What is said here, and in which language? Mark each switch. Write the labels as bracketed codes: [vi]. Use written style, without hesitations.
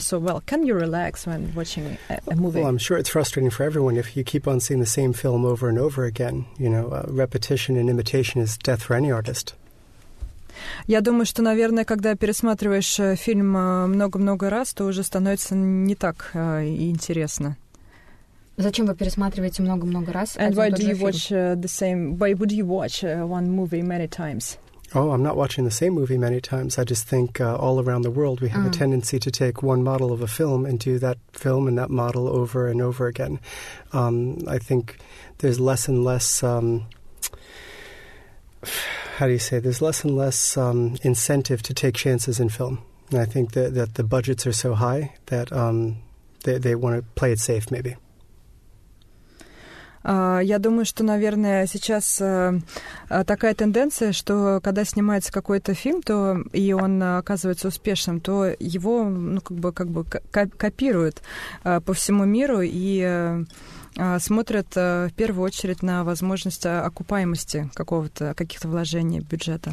[en] So, well, can you relax when watching a movie? Well, I'm sure it's frustrating for everyone if you keep on seeing the same film over and over again. You know, repetition and imitation is death for any artist. [ru] Я думаю, что, наверное, когда пересматриваешь фильм много-много раз, то уже становится не так интересно. Зачем вы пересматриваете много-много раз? [en] And why do you watch the same? Why would you watch one movie many times? Oh, I'm not watching the same movie many times. I just think all around the world we have a tendency to take one model of a film and do that film and that model over and over again. I think there's less and less... how do you say? There's less and less incentive to take chances in film. And I think that the budgets are so high that they want to play it safe, maybe. [ru] Я думаю, что, наверное, сейчас такая тенденция, что когда снимается какой-то фильм, то и он оказывается успешным, то его, ну, как бы копируют по всему миру и смотрят в первую очередь на возможность окупаемости какого-то, каких-то вложений бюджета.